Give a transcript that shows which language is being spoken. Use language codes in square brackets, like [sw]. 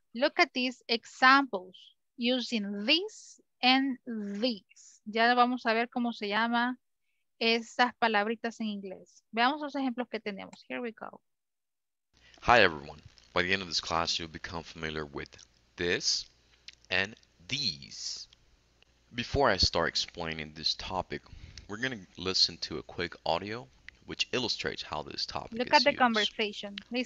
[en] Look at these examples using this and this. [es] Ya vamos a ver cómo se llama esas palabritas en inglés. Veamos los ejemplos que tenemos. [en] Here we go. Hi, everyone. By the end of this class, you'll become familiar with this and these. Before I start explaining this topic, we're going to listen to a quick audio which illustrates how this topic Look is used. Look at the conversation. Listen.